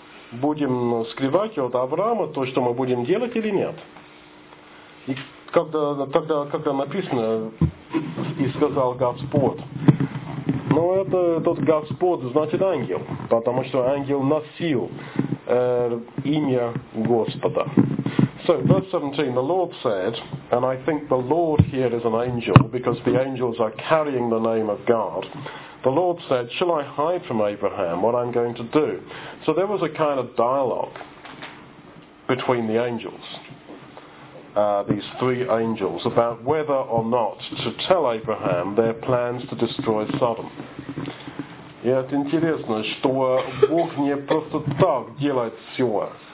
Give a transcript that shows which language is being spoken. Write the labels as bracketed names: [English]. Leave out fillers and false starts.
[Russian] Будем скрывать от Авраама то, что мы будем делать или нет? И когда написано, и сказал Господь, ну, это тот Господь, значит, ангел, потому что ангел носил имя Господа. [English] So, verse 17, the Lord said, and I think the Lord here is an angel, because the angels are carrying the name of God. The Lord said, shall I hide from Abraham what I'm going to do? So there was a kind of dialogue between the angels, these three angels, about whether or not to tell Abraham their plans to destroy Sodom. [Russian] И это интересно, что Бог не просто так делает все.